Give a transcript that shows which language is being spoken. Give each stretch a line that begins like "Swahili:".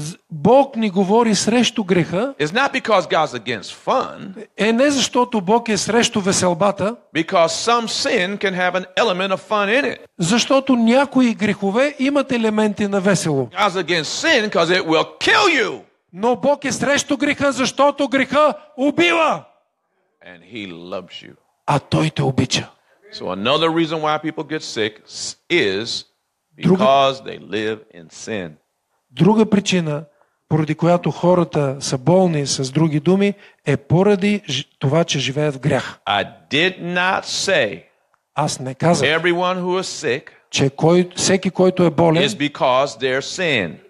Bulgarian: Бог ни говори срещу греха
English: is not because God's against fun,
Bulgarian: е не защото Бог е срещу веселбата,
English: because some sin can have an element of fun in it.
Bulgarian: Защото някои грехове имат елементи на весело.
English: God's against sin, because it will kill you.
Bulgarian: Но Бог е срещу греха, защото греха убива.
English: And he loves you.
Bulgarian: А Той те обича.
English: So another reason why people get sick is because they live in sin.
Bulgarian: Друга причина, поради която хората са болни, с други думи, е поради това, че живеят в грях.
English: I did not say,
Bulgarian: аз не казах,
English: everyone who is sick,
Bulgarian: че кой, всеки, който е болен,
English: is because they're sin.